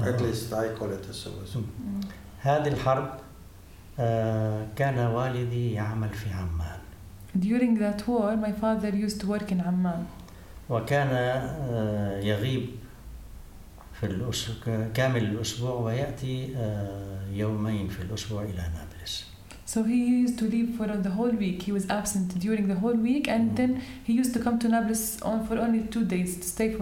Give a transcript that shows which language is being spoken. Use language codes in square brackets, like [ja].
[en] At least I call it the Suez War. [ar] هذه الحرب كان والدي يعمل في عمان. [en] During that war, my father used to work in Amman. [ar] وكان يغيب في كامل الأسبوع ويأتي يومين في الأسبوع إلى نابلس. [en] So he used to leave for the whole week. He was absent during the whole week, and then he used to come to Nablus for only two days.